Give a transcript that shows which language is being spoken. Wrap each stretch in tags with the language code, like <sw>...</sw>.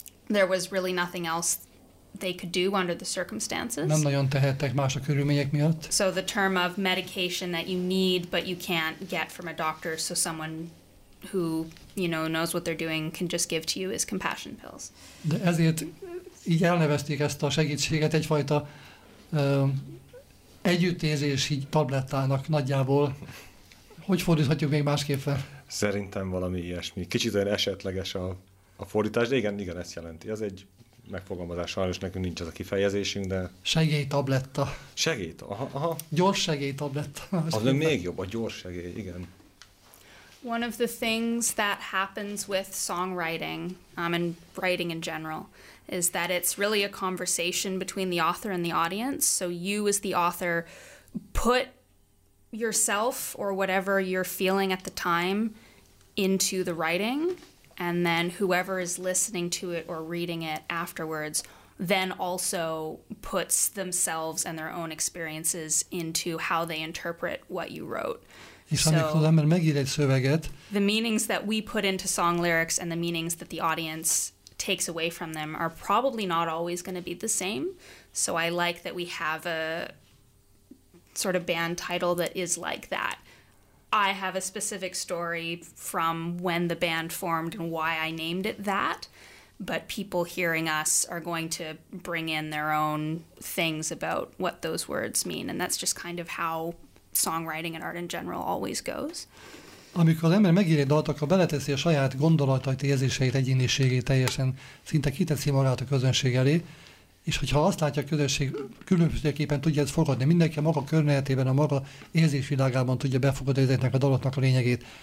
<en>There was really nothing else they could do under the circumstances.</en> <hu>Nem nagyon tehettek más a körülmények miatt.</hu> <en>So the term of medication that you need but you can't get from a doctor, so someone who, you know, knows what they're doing can just give to you is compassion pills.</en> <hu>De ezért így elnevezték ezt a segítséget egyfajta együttérzési tablettának nagyjából. Hogy fordíthatjuk még másképp fel? Szerintem valami ilyesmi. Kicsit olyan esetleges a fordítás, de igen, igen, ezt jelenti. Ez egy megfogalmazás, sajnos nekünk nincs ez a kifejezésünk, de... Segélytabletta. Segélyt, aha. Gyors segélytabletta. Az még jobb, a gyors segély, igen.</hu> <en>One of the things that happens with songwriting, and writing in general, is that it's really a conversation between the author and the audience. So you as the author put yourself or whatever you're feeling at the time into the writing, and then whoever is listening to it or reading it afterwards then also puts themselves and their own experiences into how they interpret what you wrote. So the meanings that we put into song lyrics and the meanings that the audience takes away from them are probably not always going to be the same. So I like that we have a sort of band title that is like that. I have a specific story from when the band formed and why I named it that, but people hearing us are going to bring in their own things about what those words mean, and that's just kind of how songwriting and art in general always goes.</en> <hu>Amikor az ember megír egy dalt, akkor beleteszi a saját gondolatait, érzéseit, egyéniségét teljesen, szinte kiteszi magát a közönség elé, és hogyha azt látja a közönség, különbözőképpen tudja ezt fogadni. Mindenki a maga környezetében, a maga érzésvilágában tudja befogadni ezeknek a dalatnak a lényegét.</hu>